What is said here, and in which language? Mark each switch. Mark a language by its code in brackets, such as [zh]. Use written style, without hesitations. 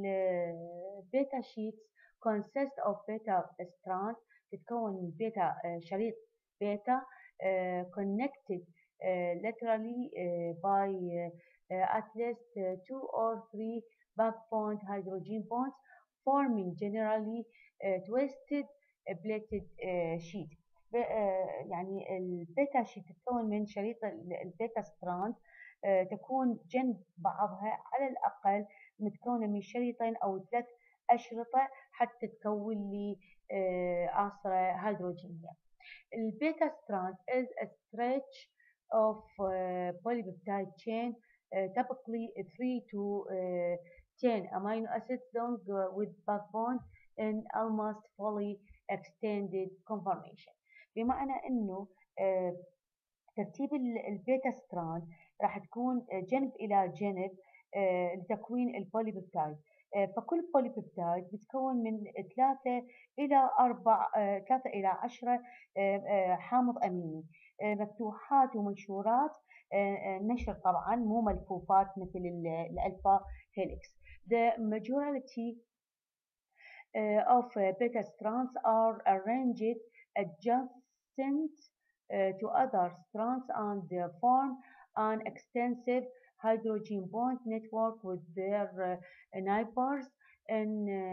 [en] البيتا sheet consist of beta strands، [ar] تتكون من بيتا شريط بيتا [en] connected literally by at least two or three backbone hydrogen bonds forming generally twisted plated sheet. [ar] يعني البيتا شيت تتكون من شريط البيتا ستراند، تكون جنب بعضها على الأقل متكونة من شريطين أو ثلاث أشرطة حتى تكون لي عصرة هيدروجينية. [en] البيتا strand is a stretch of polypeptide chain typically 3 to 10 amino acids long with backbone in almost fully extended conformation. [ar] بمعنى انه ترتيب البيتا ستراند راح تكون جنب الى جنب لتكوين البوليبيبتايد، فكل بوليبيبتايد بتكون من 3 الى 4 3 الى 10 حامض اميني مفتوحات ومنشورات نشر، طبعا مو ملفوفات مثل الالفا هيليكس. [en] The majority of beta strands are arranged adjacent to other strands and form an extensive hydrogen bond network with their neighbors in